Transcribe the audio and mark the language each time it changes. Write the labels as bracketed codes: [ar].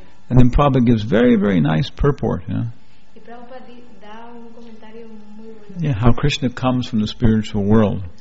[en] And then Prabhupada gives very, very nice purport. Yeah. [es] Y Prabhupada da un comentario muy bueno. [en] Yeah, how Krishna comes from the spiritual world.